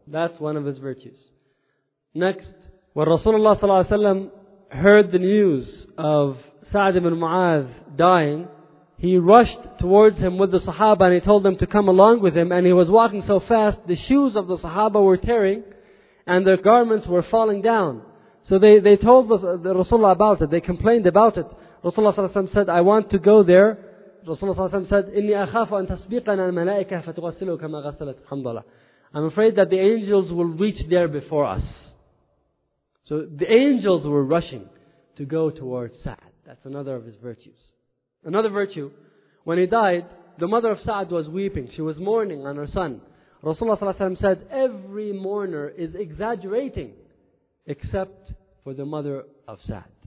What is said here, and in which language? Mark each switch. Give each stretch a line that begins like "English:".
English: That's one of his virtues. Next, when Rasulullah sallallahu alaihi wasallam heard the news of Sa'd ibn Mu'adh dying, he rushed towards him with the Sahaba and he told them to come along with him, and he was walking so fast, the shoes of the Sahaba were tearing and their garments were falling down. So they told the Rasulullah about it. They complained about it. Rasulullah ﷺ said, I want to go there.
Arabic: Rasulullah ﷺ said, إِنِّي أَخَافُ أَن تَسْبِقَنَا الْمَلَائِكَةَ فَتُغَسِّلُهُ كَمَا غَسَّلَتْ حَمْدَلَهُ.
English: I'm afraid that the angels will reach there before us. So the angels were rushing to go towards Sa'd. That's another of his virtues. Another virtue, when he died, the mother of Sa'd was weeping. She was mourning on her son. Rasulullah ﷺ said, every mourner is exaggerating except for the mother of Sa'd.